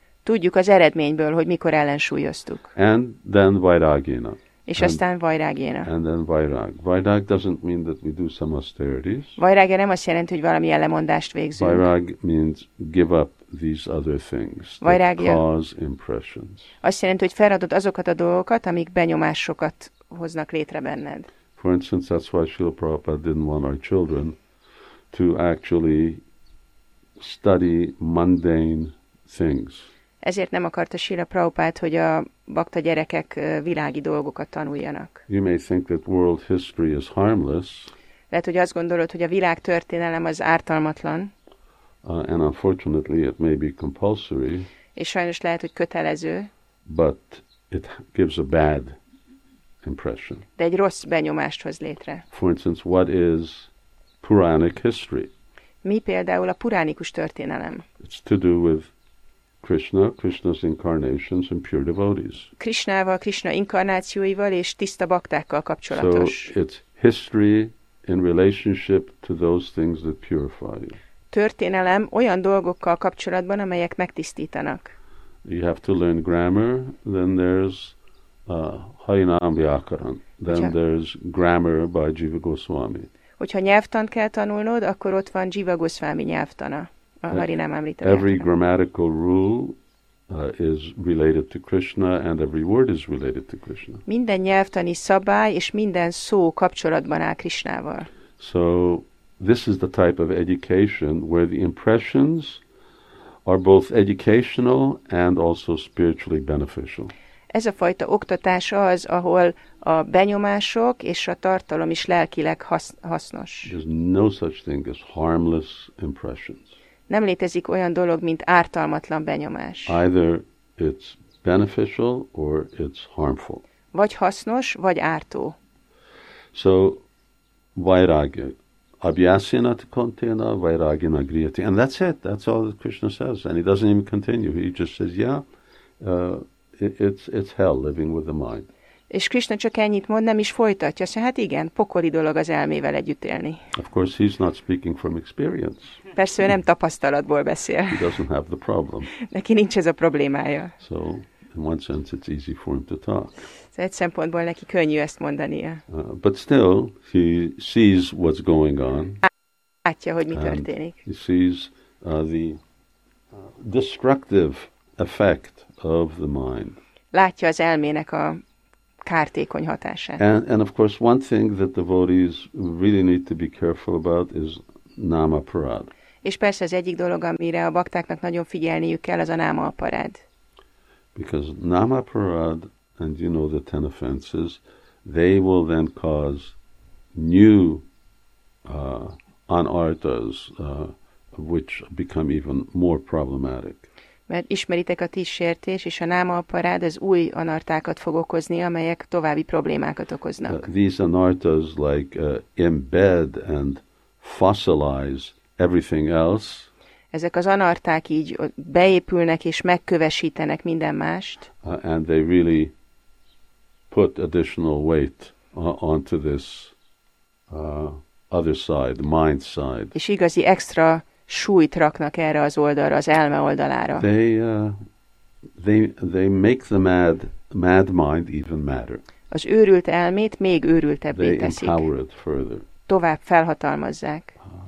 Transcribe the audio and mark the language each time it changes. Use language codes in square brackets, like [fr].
[hu] Tudjuk az eredményből, hogy mikor ellensúlyoztuk. [en] And then vairagina. [hu] És aztán vairagina. [en] And then vairag. Vairag doesn't mean that we do some austerities. [hu] Vairagya nem azt jelenti, hogy valami ellemondást végzünk. [en] Vairag means give up these other things that [sa] vairagya [en] cause impressions. [hu] Azt jelenti, hogy feladod azokat a dolgokat, amik benyomásokat hoznak létre benned. [en] For instance, that's why Srila Prabhupada didn't want our children to actually study mundane things. [hu] Ezért nem akarta Srila Prabhupada, hogy a bakta gyerekek világi dolgokat tanuljanak. [en] You may think that world history is harmless. [hu] Lehet, hogy azt gondolod, hogy a világ történelem az ártalmatlan. [en] And unfortunately, it may be compulsory. [hu] És sajnos lehet, hogy kötelező. [en] But it gives a bad impression. [hu] De egy rossz benyomást hoz létre. [en] For instance, what is Puranic history? [hu] Mi például a puránikus történelem? [en] It's to do with Krishna, Krishna's incarnations and pure devotees. [hu] Krishnával, Krishna inkarnációival és tiszta baktákkal kapcsolatos. [en] So it's history in relationship to those things that purify you. [hu] Történelem olyan dolgokkal kapcsolatban, amelyek megtisztítanak. [en] You have to learn grammar, then there's Hainam Vyakaran. Then there's grammar by Jiva Goswami. [hu] Hogyha nyelvtant kell tanulnod, akkor ott van Jiva Goswami nyelvtana. [en] Every grammatical rule is related to Krishna, and every word is related to Krishna. [hu] Minden nyelvtani szabály és minden szó kapcsolatban áll Krishnával. [en] So this is the type of education where the impressions are both educational and also spiritually beneficial. [hu] Ez a fajta oktatás az, ahol a benyomások és a tartalom is lelkileg hasznos. [en] There's no such thing as harmless impressions. [hu] Nem létezik olyan dolog, mint ártalmatlan benyomás. [en] Either it's beneficial or it's harmful. [hu] Vagy hasznos, vagy ártó. [en] So, vairagya. [sa] Abhyasena kontena vairagina griyati. [en] And that's it. That's all that Krishna says. And he doesn't even continue. He just says, yeah, it's hell living with the mind. [hu] És Krishna csak ennyit mond, nem is folytatja. Szóval, hát igen, pokoli dolog az elmével együtt élni. [en] Of course, he's not speaking from experience. [hu] Persze, ő nem tapasztalatból beszél. [en] He doesn't have the problem. [hu] Neki nincs ez a problémája. [en] So, in one sense, it's easy for him to talk. [hu] Szóval egy szempontból neki könnyű ezt mondania. [en] But still, he sees what's going on. [hu] Látja, hogy mi történik. [en] He sees the destructive effect of the mind. [hu] Látja az elmének a kártékony hatását. [en] And of course, one thing that devotees really need to be careful about is nama parad. [hu] És persze az egyik dolog, amire a baktáknak nagyon figyelniük kell, az a nama parad. [en] Because nama parad, and you know the ten offenses, they will then cause new anartas, which become even more problematic. [hu] Mert ismeritek a tíz sértés, és a náma aparád az új anartákat fog okozni, amelyek további problémákat okoznak. [en] These anartas like embed and fossilize everything else. [hu] Ezek az anarták így beépülnek és megkövesítenek minden mást. [en] And they really put additional weight onto this other side, the mind side. [hu] És igazi extra súlyt raknak erre az oldalra, az elme oldalára. [en] They make the mad mind even madder. [hu] Az őrült elmét még őrültebbé [en] they [hu] teszik. [en] They empower it further. [hu] Tovább felhatalmazzák.